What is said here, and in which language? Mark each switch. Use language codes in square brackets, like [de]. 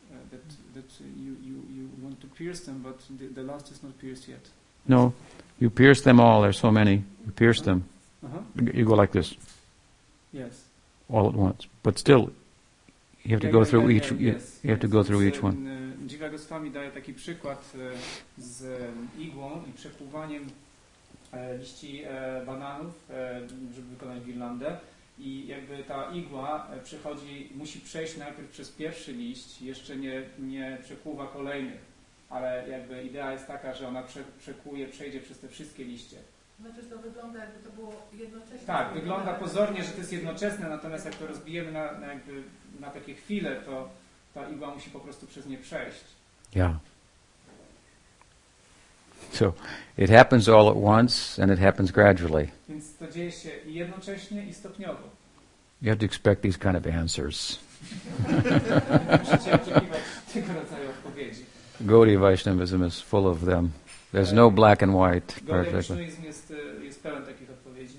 [en] That you want to pierce them, but the last is not pierced yet. No, you pierce them all. There's so many. You pierce them. You go like this. Yes. All at once, but still, you have to go through each. You have to go through each one. [pl] Jiva Goswami daje taki przykład z igłą i przekuwaniem liści bananów, żeby wykonać girlandę. I jakby ta igła przychodzi, musi przejść najpierw przez pierwszy liść, jeszcze nie przekuwa kolejnych. Ale jakby idea jest taka, że ona przejdzie przez te wszystkie liście. Znaczy, że to wygląda, jakby to było jednoczesne. Tak, wygląda pozornie, że to jest jednoczesne, natomiast jak to rozbijemy na takie chwile, to ta igła musi po prostu przez nie przejść. [en] Yeah. So it happens all at once and it happens gradually. [pl] Więc to dzieje się i jednocześnie i stopniowo. [en] You have to expect these kind of answers. [pl] Musicie oczekiwać tego rodzaju odpowiedzi. [en] Gaudiya Vaishnavism is full of them. There's no black and white. [pl] Gaudiya Vaishnavism jest pełen takich odpowiedzi.